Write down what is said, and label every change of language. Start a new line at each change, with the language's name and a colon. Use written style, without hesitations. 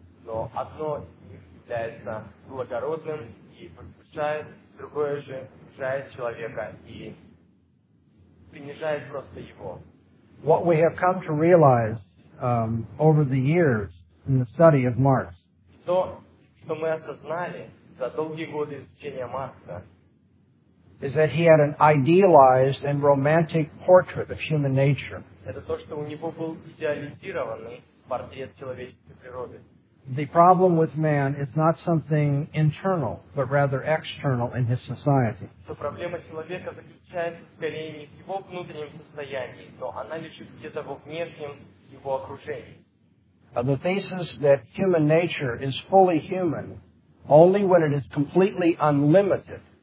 Russian: Но одно из них является благородным и возвышает, другое же унижает человека и принижает просто его.
English: What we have come to realize over the years in the study of Marx.
Russian: То, что мы осознали за долгие годы изучения Маркса,
English: is that he had an idealized and romantic portrait of human nature.
Russian: Это то, что у него был идеализированный портрет человеческой природы.
English: The problem with man is not something internal, but rather external in his society.
Russian: То проблема человека заключается скорее не в его внутреннем состоянии, но она лежит где-то во внешнем его окружении.
English: The thesis that human nature is fully human only when it is completely unlimited.